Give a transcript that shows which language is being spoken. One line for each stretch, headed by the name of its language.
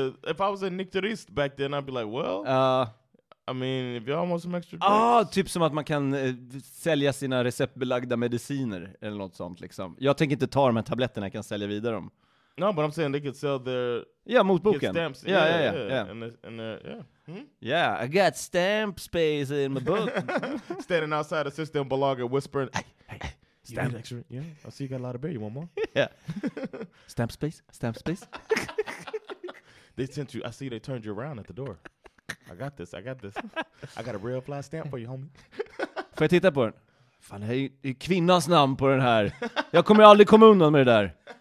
English: If I was a nykterist back then, I'd be like, well, I mean, if you almost some extra drinks.
Swedish: Ah, typ som att man kan sälja sina receptbelagda mediciner eller något sånt liksom. Jag tänker inte ta de här tabletterna, jag kan sälja vidare dem.
English: No, but I'm saying they could sell their... Yeah, motboken. Stamps. Yeah. Hmm? Yeah, I got stamp space in my book. Standing outside of Systembolaget whispering, hey, stamp. Extra, yeah, I see you got a lot of beer. You want more? Yeah. Stamp space. They sent you. I see they turned you around at the door. I got this. I got a real fly stamp for you, homie.
Swedish: Får jag titta på den? Fan, det är kvinnans namn på den här. Jag kommer aldrig komma undan med det där.